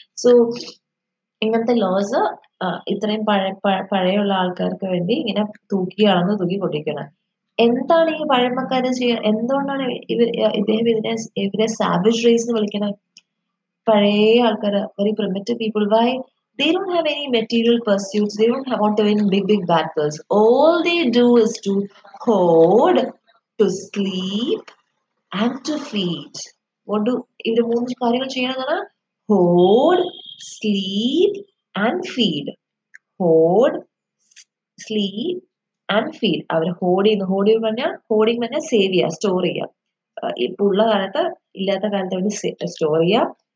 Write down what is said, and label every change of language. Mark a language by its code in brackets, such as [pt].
[ml] So ഇങ്ങനത്തെ loss ഇത്രയും പഴയുള്ള ആൾക്കാർക്ക് വേണ്ടി ഇങ്ങനെ തൂക്കി കളന്ന് തൂക്കി പൊട്ടിക്കണം. എന്താണ് ഈ പഴമക്കാർ ചെയ്യുക, എന്തുകൊണ്ടാണ് ഇവർ ഇദ്ദേഹം ഇതിനെ ഇവരെ സാവേജ് റേസ് എന്ന് വിളിക്കണത്? പഴയ ആൾക്കാർ, [en] Very primitive people, why? They don't have any material pursuits. They don't want to win big battles. All they do is to hoard, to sleep, and to feed. What do [ml] ഇവിടെ മൂന്ന് കാര്യങ്ങൾ ചെയ്യണതാണ്? [en] Hoard, sleep, and feed. Hoard, sleep, and feed. [ml] Our [en] hoard [ml] ചെയ്യുന്നു. Hoard ചെയ്യുന്നു പറഞ്ഞാൽ hoarding പറഞ്ഞാൽ save ചെയ്യുക, store ചെയ്യുക. ഇപ്പോൾ ഉള്ള കാലത്ത് ഇല്ലാത്ത കാലത്ത് വേണ്ടി store ചെയ്യുക.